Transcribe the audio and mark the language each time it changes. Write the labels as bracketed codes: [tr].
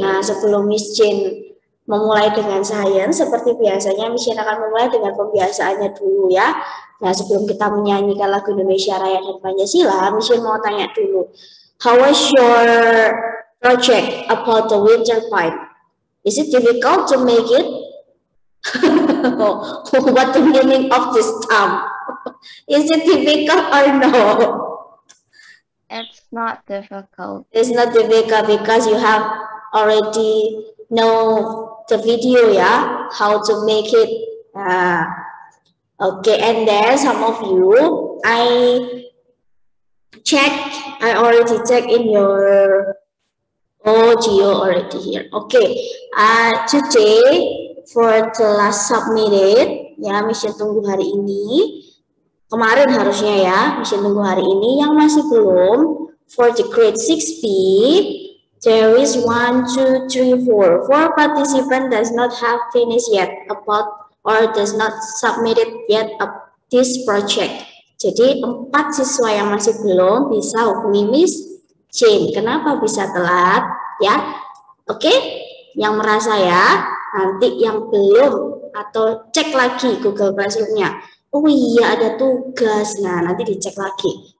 [id] Nah, sebelum Miss Jane memulai dengan science, seperti biasanya Miss Jane akan memulai dengan pembiasaannya dulu ya. Nah, sebelum kita menyanyikan lagu Indonesia Raya dan Pancasila, Miss Jane mau tanya dulu. [en] How was your project about the winter pipe? Is it difficult to make it? What the meaning of this term? Is it difficult or no? It's not difficult. It's not difficult because you have already know the video, yeah? How to make it. Okay, and then some of you, I already checked in your... Oh, Gio already here. Okay, today for the last submitted, [id] ya, mission tunggu hari ini, kemarin harusnya ya, mission tunggu hari ini, yang masih belum, [en] for the grade 6B, there is 1, 2, 3, 4. Four participants does not have finished yet about, or does not submitted yet this project. [id] Jadi, 4 siswa yang masih belum bisa hubungi Miss Jane. Kenapa bisa telat? Ya, oke, yang merasa ya, nanti yang belum atau cek lagi Google Classroom-nya. Oh iya, ada tugas. Nah, nanti dicek lagi.